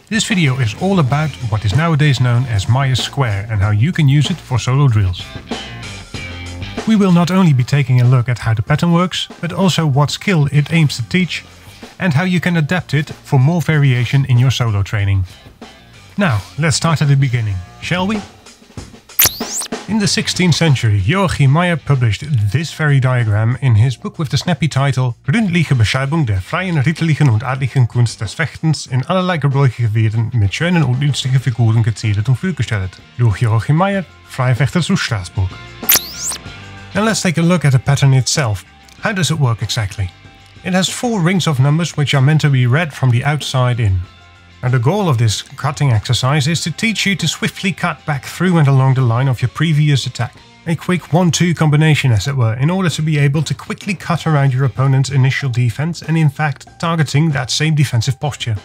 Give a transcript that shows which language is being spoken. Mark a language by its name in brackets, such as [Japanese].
[English] This video is all about what is nowadays known as Meyer Square and how you can use it for solo drills. We will not only be taking a look at how the pattern works, but also what skill it aims to teach and how you can adapt it for more variation in your solo training. Now, let's start at the beginning, shall we? In the 16th century, Joachim Meyer published this very diagram in his book with the snappy title [German] Gründliche Beschreibung der freien ritterlichen und adligen Kunst des Fechtens in allerlei gebräuchlichen Gebieten mit schönen und nützlichen Figuren gezielt und vorgestellt. Durch Joachim Meyer, Freifechter zu Straßburg. [English] Now let's take a look at the pattern itself. How does it work exactly? It has four rings of numbers which are meant to be read from the outside in. And the goal of this cutting exercise is to teach you to swiftly cut back through and along the line of your previous attack. A quick 1-2 combination, as it were, in order to be able to quickly cut around your opponent's initial defense and in fact targeting that same defensive posture.